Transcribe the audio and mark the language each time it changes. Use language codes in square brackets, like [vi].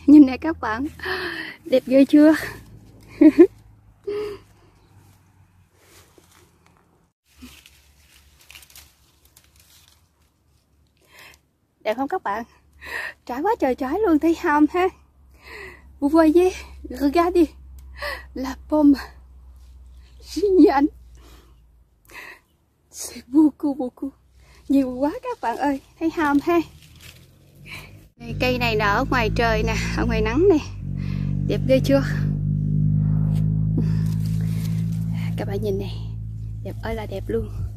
[vi] Nhìn nè các bạn, đẹp ghê chưa? Đẹp không các bạn? Trái quá trời trái luôn, thấy ham ha. [fr] Vous voyez, regardez, la pomme, génial. C'est beaucoup, beaucoup. [vi] Nhiều quá các bạn ơi, thấy ham ha. Cây này nở ngoài trời nè, ở ngoài nắng nè. Đẹp ghê chưa? Các bạn nhìn nè, đẹp ơi là đẹp luôn.